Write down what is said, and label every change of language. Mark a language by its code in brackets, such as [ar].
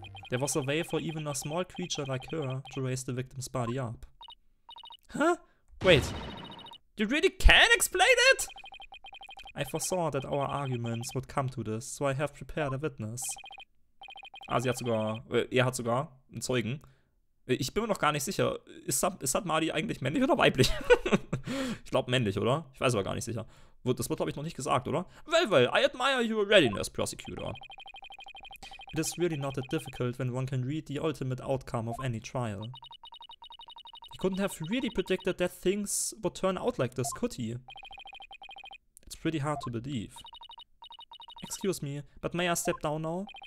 [en] There was a way for even a small creature like her to raise the victim's body up. Huh? Wait. You really can explain it? I foresaw that our arguments would come to this, so I have prepared a witness. [de] Ah, sie hat sogar, er hat sogar einen Zeugen. Ich bin mir noch gar nicht sicher. Ist Mahdi eigentlich männlich oder weiblich? Ich glaube männlich, oder? Ich weiß aber gar nicht sicher. Das wird, glaube ich, noch nicht gesagt, oder? [en] Well, I admire your readiness, Prosecutor. It is really not that difficult when one can read the ultimate outcome of any trial. He couldn't have really predicted that things would turn out like this, could he? It's pretty hard to believe. Excuse me, but may I step down now?